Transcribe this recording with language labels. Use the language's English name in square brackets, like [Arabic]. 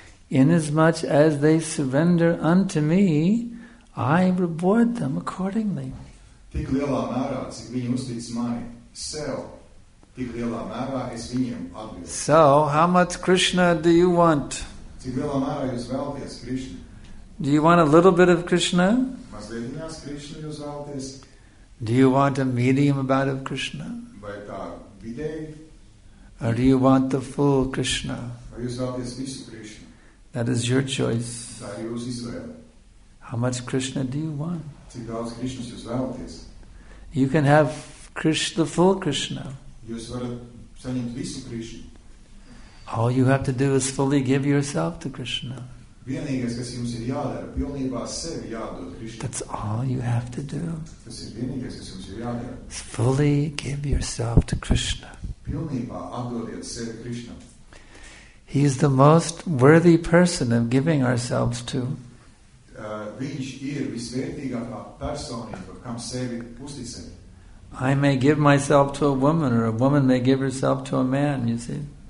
[English] Inasmuch as they surrender unto me, I reward them accordingly. [Latvian] Tik lielā mērā, cik viņi uztic mani, sev, tik lielā mērā es viņiem atbildu. [English] So, how much Krishna do you want? [Latvian] Cik lielā mērā jūs vēlaties Krishna? [English] Do you want a little bit of Krishna? [Latvian] Mazliet Krishna jūs vēlaties? [English] Do you want a medium amount of Krishna? [Latvian] Vai tā vidēji? [English] Or do you want the full Krishna? [Latvian] Vai jūs vēlaties visu Krishna? [English] That is your choice. [Latvian] Tā ir jūs izvēle. [English] How much Krishna do you want? [Latvian] Cik daudz Krishnas jūs vēlaties? [English] You can have Krishna, the full Krishna. [Latvian] Jūs varat saņemt visu Krishna. [English] All you have to do is fully give yourself to Krishna. [Latvian] Vienīgais, kas jums ir jādara, pilnībā sevi jādod Krishna. [English] That's all you have to do. [Latvian] Tas ir vienīgais, kas jums ir jādara. [English] Is fully give yourself to Krishna. [Latvian] Pilnībā atdodiet sevi Krishna. [English] He is the most worthy person of giving ourselves to. [Latvian] Viņš ir visvērtīgākā personība, kam sevi uzticēt. [English] I may give myself to a woman, or a woman may give herself to a man, you see.